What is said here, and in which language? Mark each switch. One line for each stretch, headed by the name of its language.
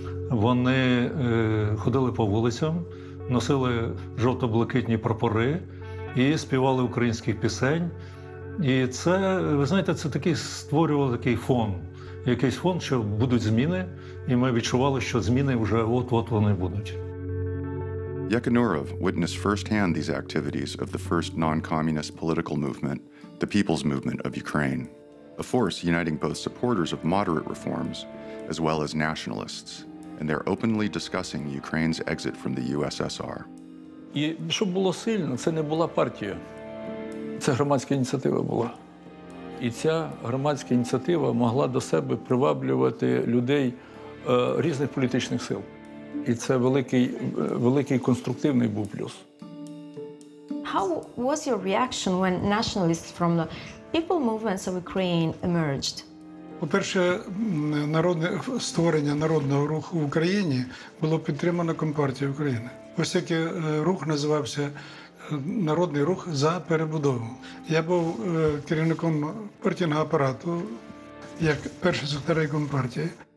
Ukrainian: Вони ходили по вулицям, носили жовто-блакитні прапори і співали українські пісень. І це, ви знаєте, це такий створював такий фон, якийсь фон, що будуть зміни, і ми відчували, що зміни вже от-от вони будуть.
English: Yekanurov witnessed firsthand these activities of the first non-communist political movement, the People's Movement of Ukraine, a force uniting both supporters of moderate reforms as well as nationalists, and they're openly discussing Ukraine's exit from the USSR.
Ukrainian: І щоб було сильно, це не була партія. Це громадська ініціатива була. І ця громадська ініціатива могла до себе приваблювати людей різних політичних сил. І це великий конструктивний був плюс.
English: How was your reaction when nationalists from the people movements of Ukraine emerged?
Ukrainian: По-перше, створення народного руху в Україні було підтримано Компартією України. Ось який рух називався Народний рух за перебудову. Я був керівником партійного апарату, як перший секретар Компартії.